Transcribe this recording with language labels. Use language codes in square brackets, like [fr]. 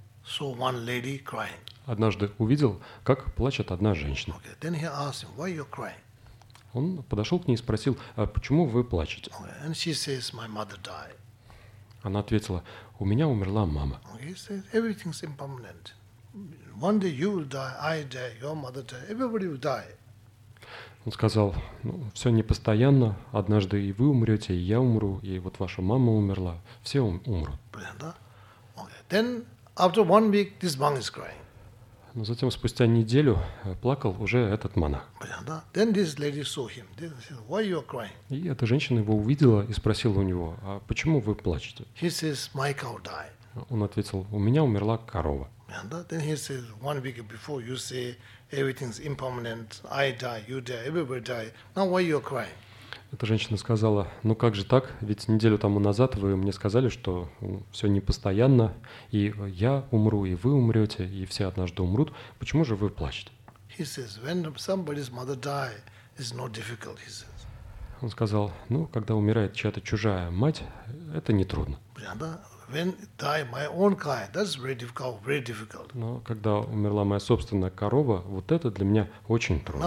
[en] Saw one lady crying. [ru] Однажды увидел, как плачет одна женщина. [en] Okay. Then he asked him, why you crying? [ru] Он подошел к ней и спросил, а почему вы плачете? [en] Okay. And she says, my mother died. [ru] Она ответила, у меня умерла мама. [en] Okay. So everything's impermanent. One day you will die, I die, your mother die, everybody will die. [ru] Он сказал, ну, все непостоянно, однажды и вы умрете, и я умру, и вот ваша мама умерла, все умрут. Понятно? Okay. [en] Then after one week this monk is crying. [ru] Но затем спустя неделю плакал уже этот монах. Понятно? [en] Then this lady saw him. Then she said, why you are crying? [ru] И эта женщина его увидела и спросила у него, а почему вы плачете? [en] He says, my cow died. [ru] Он ответил, у меня умерла корова. [en] And then he says, one week before you say everything's impermanent, I die, you die, everybody die. Now why you're crying? [ru] Эта женщина сказала, ну как же так, ведь неделю тому назад вы мне сказали, что все непостоянно, и я умру, и вы умрете, и все однажды умрут. Почему же вы плачете? [en] He says, when somebody's mother die, it's not difficult, he says. [ru] Он сказал, ну, когда умирает чья-то чужая мать, это нетрудно. [en] When die my own cow, that's very difficult, very difficult. [ru] Но когда умерла моя собственная корова, вот это для меня очень трудно.